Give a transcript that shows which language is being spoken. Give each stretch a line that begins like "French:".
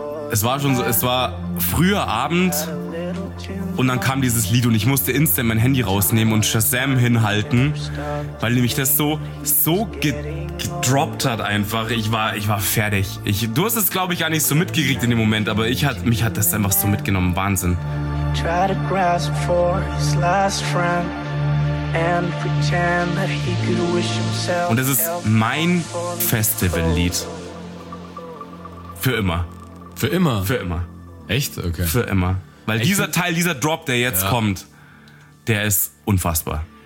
German: Es war schon so, es war früher Abend und dann kam dieses Lied und ich musste instant mein Handy rausnehmen und Shazam hinhalten, weil nämlich das so gedroppt hat einfach. Ich war fertig. Du hast es, glaube ich, gar nicht so mitgekriegt in dem Moment, aber mich hat das einfach so mitgenommen. Wahnsinn.
English: Try to grasp for his last friend and pretend that he could wish himself.
German: Und das ist mein Festival-Lied. Für immer. Für immer? Für immer. Echt? Okay. Für immer. Weil echt? Dieser Teil, dieser Drop, der jetzt kommt, der ist unfassbar.